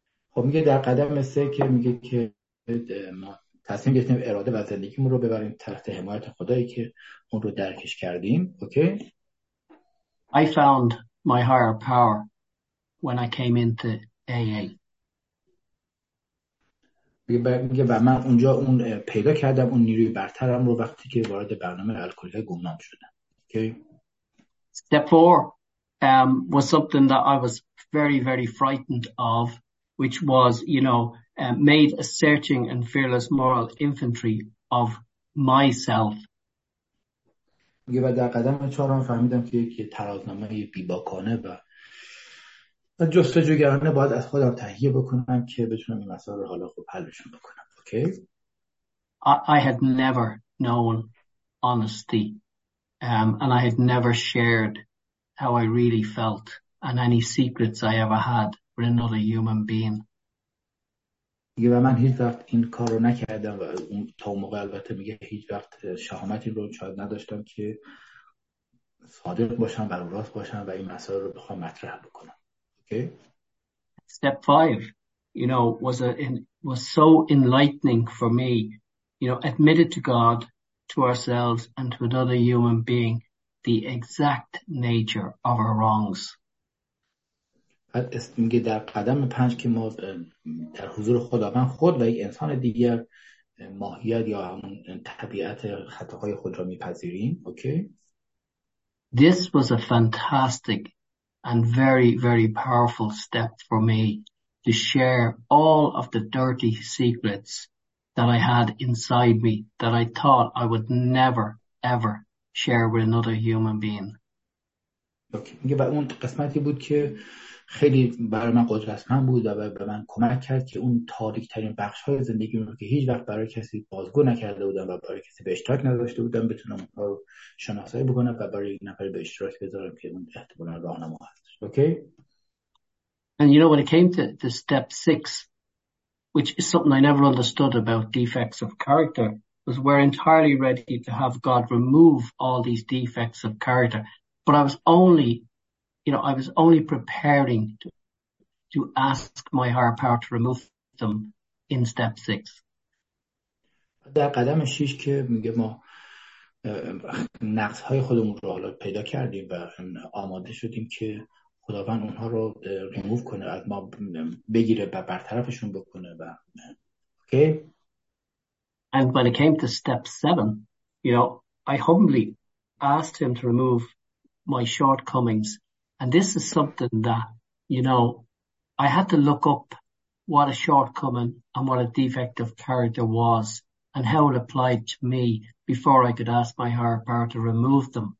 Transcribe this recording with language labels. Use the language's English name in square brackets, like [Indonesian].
[Persian] خب میگه در قدم 3 که میگه که ما تصمیم گرفتیم اراده و زندگیمون رو ببریم تحت حمایت خدایی که اون رو درکش کردیم. اوکی. [English] I found my higher power when I came into AA. [Persian] میگه و من اونجا اون پیدا کردم اون نیروی برترم رو وقتی که وارد برنامه الکلی گمنام شدم. اوکی. [English] Step 4 was something that I was very very frightened of, which was, you know, made a searching and fearless moral inventory of myself. [Persian] میگه و در قدم 4 فهمیدم که یک ترازنامه بیباکانه و جستجوگرانه باید از خودم تهیه بکنم که بتونم این مسائل رو حالا خوب حلشون بکنم. اوکی. [English] I had never known honesty and I had never shared how I really felt and any secrets I ever had with another human being. [Persian] میگه و من هیچ وقت این کار رو نکردم و اون تا اون موقع البته میگه هیچ وقت شهامتی رو شاید نداشتم که صادق باشم و راست باشم و این مسائل رو بخوام مطرح بکنم. اوکی. [English] Step 5, you know, was so enlightening for me, you know, admitted to God, to ourselves and to another human being the exact nature of our wrongs. [Persian] بعد میگه در قدم 5 که ما در حضور خداوند خود و یک انسان دیگر ماهیت یا همون طبیعت خطاهای خود را میپذیریم. اوکی. [English] This was a fantastic and very very powerful step for me to share all of the dirty secrets that I had inside me that I thought I would never ever share with another human being. Okay. [Persian] میگه بعد اون قسمتی بود که خیلی برای من قدرتمند بود و به من کمک کرد که اون تاریک‌ترین بخش‌های زندگی رو که هیچ وقت برای کسی بازگو نکرده بودم و برای کسی به اشتراک نذاشته بودم بتونم اونها رو شناسایی بکنم و برای یک نفر به اشتراک بذارم که اون احتمالا راهنما هست. اوکی. [English] And you know, when it came to the step 6, which is something I never understood about defects of character, was we're entirely ready to have God remove all these defects of character, but I was only, you know, I was only preparing to ask my higher power to remove them in step 6. [Persian] در قدم 6 که میگه ما نقص‌های خودمون رو حالا پیدا کردیم و آماده شدیم که خداوند اونها رو ریموو کنه از ما بگیره و برطرفشون بکنه و اوکی. [English] And when it came to step 7, you know, I humbly asked him to remove my shortcomings. And this is something that, you know, I had to look up what a shortcoming and what a defect of character was and how it applied to me before I could ask my higher power to remove them.